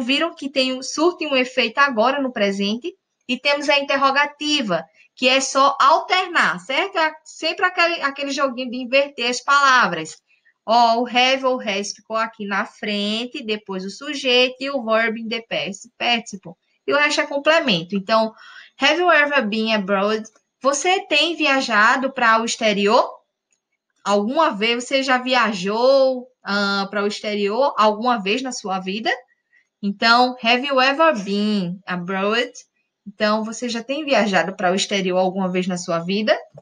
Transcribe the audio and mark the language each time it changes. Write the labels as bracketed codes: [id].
[pt] Viram que surte um efeito agora no presente e temos a interrogativa, que é só alternar, certo? É sempre aquele joguinho de inverter as palavras. Ó, o have ou has ficou aqui na frente, depois o sujeito e o verbo [en] in the past participle. [pt] E o resto é complemento. [en] Então, have you ever been abroad? [pt] Você tem viajado para o exterior? Alguma vez você já viajou para o exterior alguma vez na sua vida? Então, [en] have you ever been abroad? [pt] Então, você já tem viajado para o exterior alguma vez na sua vida?